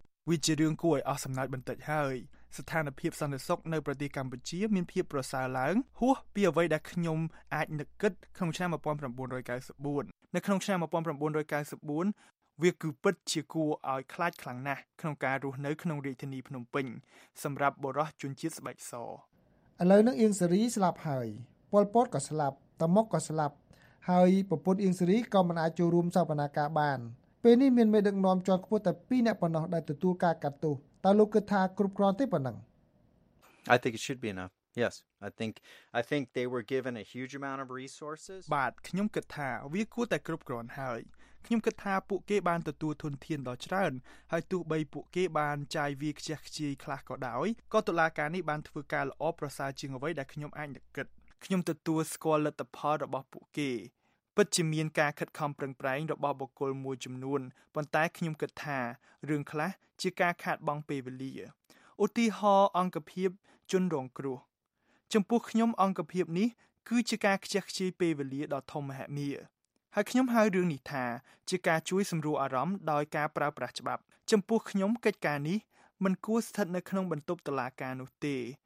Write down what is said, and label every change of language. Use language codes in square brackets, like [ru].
[km] វិជារឿងគួរឲ្យអស់សំណើចបន្តិចហើយស្ថានភាពសន្តិសុខនៅប្រទេសកម្ពុជាមានភាពប្រសើរឡើងហួសពីអ្វីដែលខ្ញុំអាចនឹកគិតក្នុងឆ្នាំ1994នៅក្នុងឆ្នាំ1994វាគឺពិតជាគួរឲ្យខ្លាចខ្លាំងណាស់ក្នុងការរស់នៅក្នុងរាជធានីភ្នំពេញសម្រាប់បុរសជនជាតិស្បែកស ឥឡូវនឹងអៀងសេរីស្លាប់ហើយប៉ុលពតក៏ស្លាប់តាម៉ុកក៏ស្លាប់ហើយប្រពន្ធអៀងសេរីក៏មិនអាចចូលរួមសវនកម្មបានពេលនេះមានមេដឹកនាំជាន់ខ្ពស់តែ2នាក់ប៉ុណ្ណោះដែលទទួលការកាត់ទោសតើលោកគិតថាគ្រប់គ្រាន់ទេប៉ុណ្ណឹង [en] I think it should be enough. Yes, I think they were given a huge amount of resources. [km] បាទខ្ញុំគិតថាវាគួរតែគ្រប់គ្រាន់ហើយខ្ញុំគិតថាពួកគេបានទទួលធនធានដ៏ច្រើនហើយទោះបីពួកគេបានចាយវាខ្ជះខ្ជាយខ្លះក៏ដោយក៏តុលាការនេះបានធ្វើការល្អប្រសើរជាងអ្វីដែលខ្ញុំអាចនឹកគិត ខ្ញុំទទួលស្គាល់លទ្ធផលរបស់ពួកគេពិតជាមានការខិតខំប្រឹងប្រែងរបស់បុគ្គលមួយចំនួនប៉ុន្តែខ្ញុំគិតថារឿងខ្លះជាការខាតបង់ពេលវេលាឧទាហរណ៍អង្គភាពជន់រងគ្រោះចំពោះខ្ញុំអង្គភាពនេះគឺជាការខ្ជះខ្ជាយពេលវេលាដ៏ធំមហិមាហើយខ្ញុំហៅរឿងនេះថាជាការជួយសម្រួលអារម្មណ៍ដោយការប្រើប្រាស់ច្បាប់ចំពោះខ្ញុំកិច្ចការនេះมันគួរស្ថិតនៅក្នុងបន្ទប់តុលាការនោះទេ